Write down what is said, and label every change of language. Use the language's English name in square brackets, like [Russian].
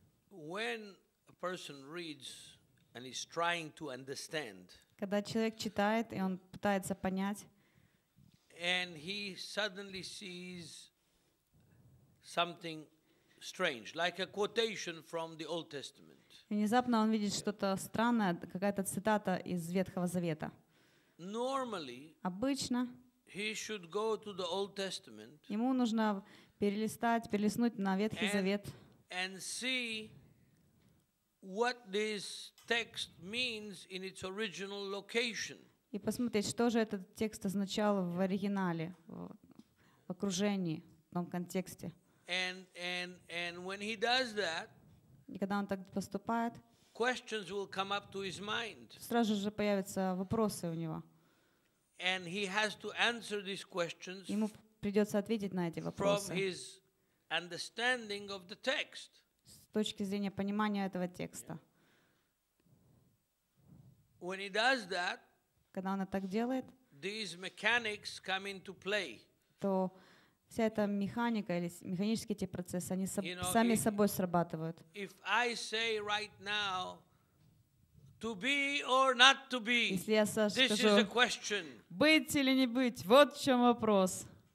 [English] When a person reads and is trying to understand. [Russian] Когда человек читает и он пытается понять. [English] And he suddenly sees something strange, like a quotation from the Old Testament. [Russian] Внезапно он видит что-то странное, какая-то цитата из Ветхого Завета. [English] Normally, [Russian] обычно, [English] he should go to the Old Testament. [Russian] Ему нужно перелистнуть на Ветхий Завет. [English] And see what this text means in its original location. [Russian] И посмотреть, что же этот текст означал в оригинале, в окружении, в том контексте. [English] And when he does that, [Russian] и когда он так поступает, [English] questions will come up to his mind. [Russian] Сразу же появятся вопросы у него. [English] And he has to answer these questions. [Russian] Ему придется ответить на эти вопросы. [English] From his understanding of the text. [Russian] С точки зрения понимания этого текста. [English] Yeah. When he does that, [Russian] когда он так делает, [English] these mechanics come into play. [Russian] То вся эта механика или механические эти процессы, они сами собой срабатывают. [English] Right now, to be or not to be, [Russian] если я скажу, быть или не быть, вот в чем вопрос.